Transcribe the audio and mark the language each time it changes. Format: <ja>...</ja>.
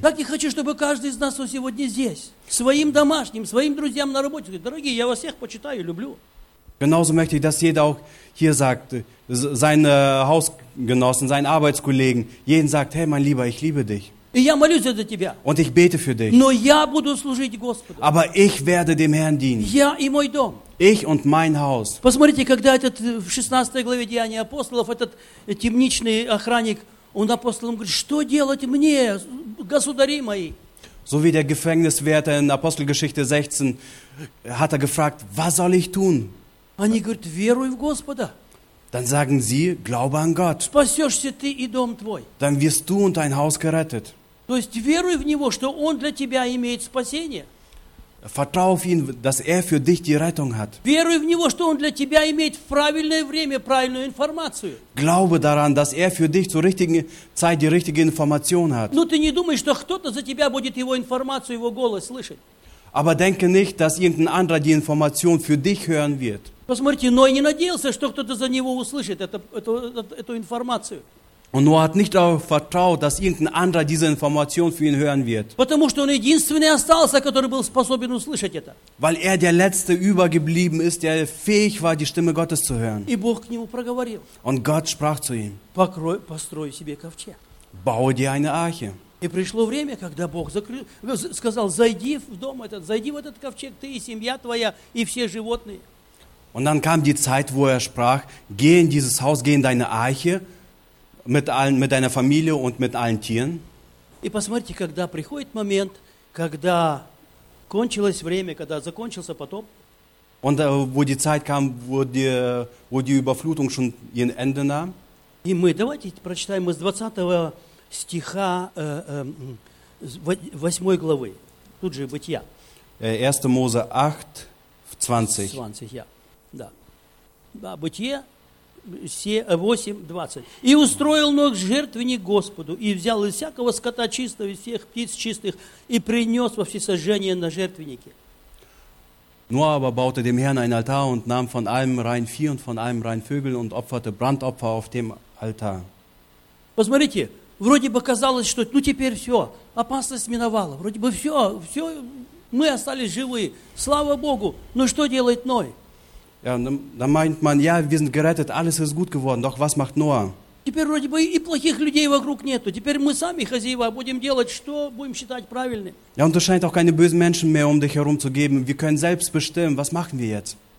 <ru>Так я хочу, чтобы каждый из нас сегодня здесь, своим домашним, своим друзьям на работе, говорит, дорогие, я вас всех почитаю, люблю.</ru> <de>Genauso möchte ich, dass jeder auch hier sagt, seine Hausgenossen, seinen Arbeitskollegen, jeden sagt, hey, mein Lieber, ich liebe dich. Und ich bete für dich. Aber ich werde dem Herrn dienen. Ich und mein Haus.</de> <ru>Посмотрите, когда этот в 16 главе Деяний апостолов, этот темничный охранник, он апостолам говорит, что делать мне, государи мои?</ru> <de>So wie der Gefängniswärter in Apostelgeschichte 16 hat er gefragt, was soll ich tun?</de> <ru>Они говорят, веруй в Господа.</ru> <de>Dann sagen sie, glaube an Gott.</de> <ru>Спасешься ты и дом твой.</ru> <de>Dann wirst du und dein Haus gerettet.</de> <ru>То есть веруй в Него, что Он для тебя имеет спасение.</ru> <de>Vertrau auf ihn, dass er für dich die Rettung hat.</de> <ru>Веруй в Него, что Он для тебя имеет правильное время, правильную информацию.</ru> <de>Glaube daran, dass er für dich zur richtigen Zeit die richtige Information hat.</de> <ru>Но ты не думай, что кто-то за тебя будет Его информацию, Его голос слышать.</ru> <de>Aber denke nicht, dass irgendein anderer die Information für dich hören wird.</de> <ru>Посмотрите, Ной не надеялся, что кто-то за него услышит эту информацию.</ru> <de>Und Noah hat nicht darauf vertraut, dass irgendein anderer diese Information für ihn hören wird.</de> <ru>Потому что он единственный остался, который был способен услышать это.</ru> <de>Weil er der Letzte übergeblieben ist, der fähig war, die Stimme Gottes zu hören.</de> <ru>И Бог к нему проговорил.</ru> <de>Und Gott sprach zu ihm.</de> <ru>Построй себе ковчег.</ru> <de>Baue dir eine Arche.</de> <ru>И пришло время, когда Бог сказал, зайди в дом этот, зайди в этот ковчег, ты и семья твоя, и все животные.</ru> <de>Und dann kam die Zeit, wo er sprach: Geh in dieses Haus, geh in deine Arche mit deiner Familie und mit allen Tieren.</de> <ru>И посмотрите, когда приходит момент, когда кончилось время, когда закончился потоп.</ru> <de>Und wo die Zeit kam, wo die Überflutung schon ihr Ende nahm.</de> <ru>И мы давайте прочитаем из 20 стиха 8 главы. Тут же Бытия.</ru> <de>1. Mose 8, 20.</de> <ru>20, ja. Да. Да, Бытие 8, 20. «И устроил Ной жертвенник Господу, и взял из всякого скота чистого, из всех птиц чистых, и принес во всесожжение на жертвеннике».</ru> <de>Noah aber baute dem Herrn ein Altar und nahm von allem rein Vieh und von allem rein Vögel und opferte Brandopfer auf dem Altar.</de> <ru>Посмотрите, вроде бы казалось, что ну теперь все, опасность миновала, вроде бы все, все, мы остались живы, слава Богу, но что делает Ной?</ru> <de>Ja, dann meint man, ja, wir sind gerettet, alles ist gut geworden, doch was macht Noah?</de> <ru>Теперь вроде бы и плохих людей вокруг нету. Теперь мы сами хозяева, будем делать, что будем считать правильным.</ru> <de>Ja, und es scheint auch keine bösen Menschen mehr um dich herum zu geben. Wir können selbst bestimmen, was machen wir jetzt?</de>